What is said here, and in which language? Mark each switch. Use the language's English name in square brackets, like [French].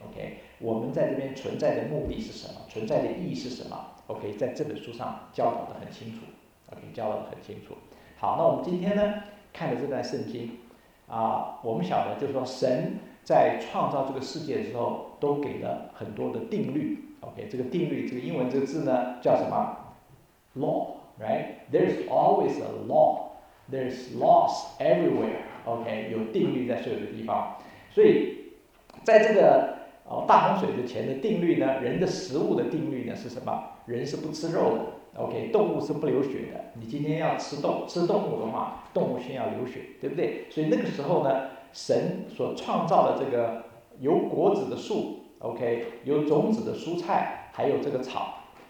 [Chinese] OK， 我们在这边存在的目的是什么，存在的意义是什么。 OK， 在这本书上教导得很清楚。OK， 教导得很清楚。好，那我们今天呢看的这段圣经啊，我们晓得就是说神在创造这个世界的时候都给了很多的定律。 OK， 这个定律这个英文这个字呢叫什么， [English] law， right， there's always a law，There's laws everywhere. [Chinese] OK， 有定律在所有的地方。所以在这个大洪水之前的定律呢，人的食物的定律呢是什么，人是不吃肉的。 OK， 动物是不流血的。你今天要吃动物的话，动物先要流血，对不对？所以那个时候呢，神所创造的这个有果子的树， OK， 有种子的蔬菜，还有这个草。